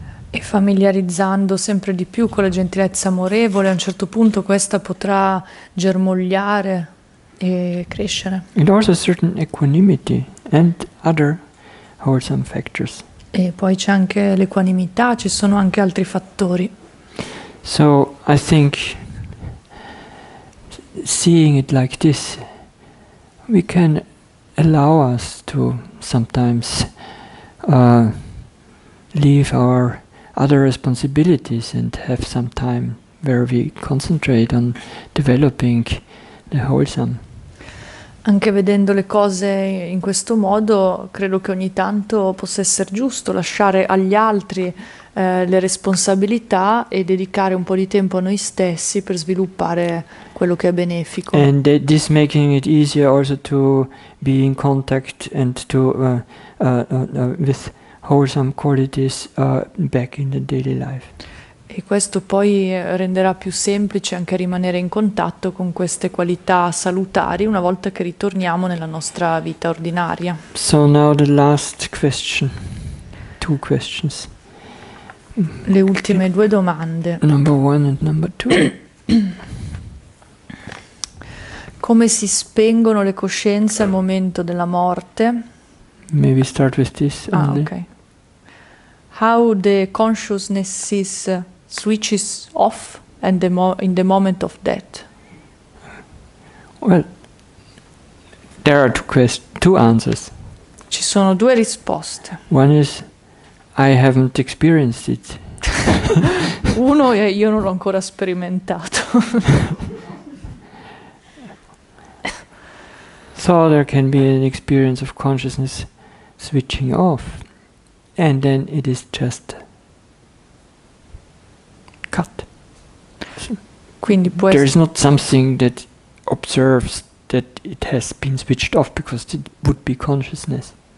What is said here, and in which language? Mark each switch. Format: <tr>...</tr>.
<it>E familiarizzando sempre di più con la gentilezza amorevole, a un certo punto questa potrà germogliare e crescere.</it> <en>And also a certain equanimity and other wholesome factors.</en> <it>E poi c'è anche l'equanimità, ci sono anche altri fattori.</it> <en>So I think seeing it like this, we can allow us to sometimes leave our other responsibilities and have some time where we concentrate on developing the wholesome.</en> <it>Anche vedendo le cose in questo modo, credo che ogni tanto possa essere giusto lasciare agli altri le responsabilità e dedicare un po' di tempo a noi stessi per sviluppare quello che è benefico.</it> <en>And this making it easier also to be in contact and to with wholesome qualities back in the daily life.</en> <it>E questo poi renderà più semplice anche rimanere in contatto con queste qualità salutari una volta che ritorniamo nella nostra vita ordinaria.</it> <en>So now the last question. Two questions.</en> <it>Le ultime due domande.</it> <en>Number one and number two.</en> <it>Come si spengono le coscienze al momento della morte?</it> <en>Maybe start with this. Ah, okay. How the consciousness is switches off and in the moment of death. Well, there are two answers.</en> <it>Ci sono due risposte.</it> <en>One is I haven't experienced it.</en> <it>Uno è io non l'ho ancora sperimentato.</it> <en>So there can be an experience of consciousness switching off and then it is just</en> <it>Quindi può</it> <en>there is not something that observes that it has been switched off because it would be consciousness.</en>